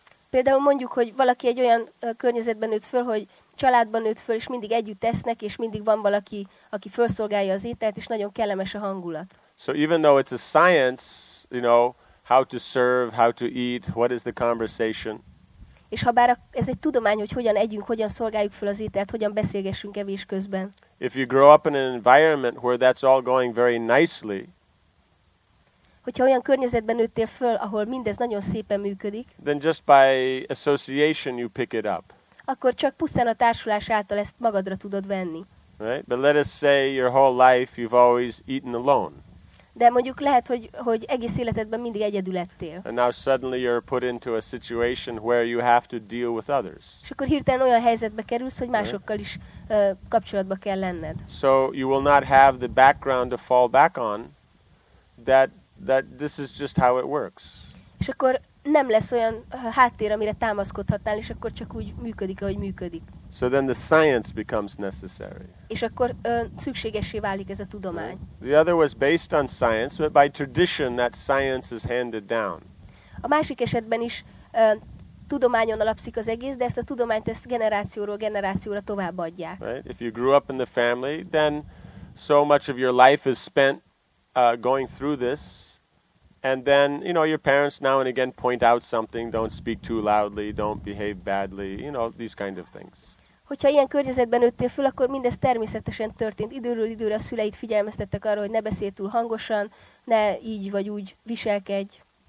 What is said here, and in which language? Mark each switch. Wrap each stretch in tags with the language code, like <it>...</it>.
<hu>Például mondjuk, hogy valaki egy olyan környezetben nőtt föl, hogy családban nőtt föl, és mindig együtt esznek, és mindig van valaki, aki felszolgálja az ételt, és nagyon kellemes a hangulat.</hu> <en>So even though it's a science, you know, how to serve, how to eat, what is the conversation?</en> <hu>És habár ez egy tudomány, hogy hogyan együnk, hogyan szolgáljuk föl az ételt, hogyan beszélgessünk evés közben.</hu> <en>If you grow up in an environment where that's all going very nicely,</en> <hu>hogyha olyan környezetben nőttél föl, ahol mindez nagyon szépen működik,</hu> <en>then just by association you pick it up.</en> <hu>Akkor csak pusztán a társulás által ezt magadra tudod venni.</hu> <en>Right? But let us say your whole life you've always eaten alone.</en> <hu>De mondjuk lehet, hogy egész életedben mindig egyedül lettél.</hu> <en>And now suddenly you're put into a situation where you have to deal with others.</en> <hu>És akkor hirtelen olyan helyzetbe kerülsz, hogy másokkal is kapcsolatba kell lenned.</hu> <en>So you will not have the background to fall back on that this is just how it works.</en> <hu>És akkor nem lesz olyan háttér, amire támaszkodhatnál, és akkor csak úgy működik, ahogy működik.</hu> <en>So then the science becomes necessary.</en> <hu>És akkor szükségessé válik ez a tudomány.</hu> <en>The other was based on science, but by tradition that science is handed down.</en> <hu>A másik esetben is tudományon alapszik az egész, de ezt a tudományt ezt generációról generációra továbbadják.</hu> <en>Right? If you grew up in the family, then so much of your life is spent going through this. And then, you know, your parents now and again point out something, don't speak too loudly, don't behave badly, you know, these kind of things.</en> <hu>Hogyha ilyen környezetben nőttél föl, akkor mindez természetesen történt. Időről időre a szüleid figyelmeztettek arra, hogy ne beszélj túl hangosan, ne így vagy úgy viselkedj.</hu>